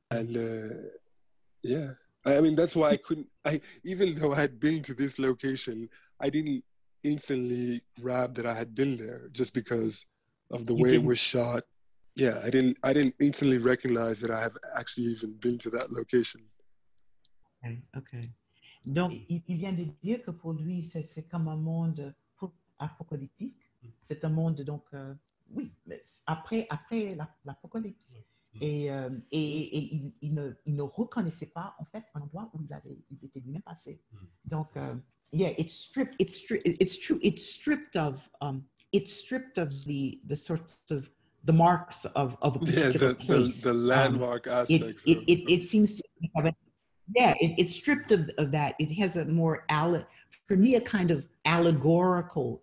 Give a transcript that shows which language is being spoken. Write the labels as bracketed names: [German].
[English] And yeah, I mean, that's why I couldn't. I even though I had been to this location, I didn't instantly grab that I had been there just because of the way it was shot. Yeah, I didn't instantly recognize that I have actually even been to that location. Okay. [French] Donc, il vient de dire que pour lui, c'est comme un monde apocalyptique. C'est un monde, donc, oui, après l'apocalypse. Et il ne reconnaissait pas, en fait, un endroit où il était lui-même passé. [English] Donc, yeah, it's stripped of the sorts of the marks of a particular place. Yeah, the landmark aspects. It seems to have it's stripped of that. It has a more allegorical.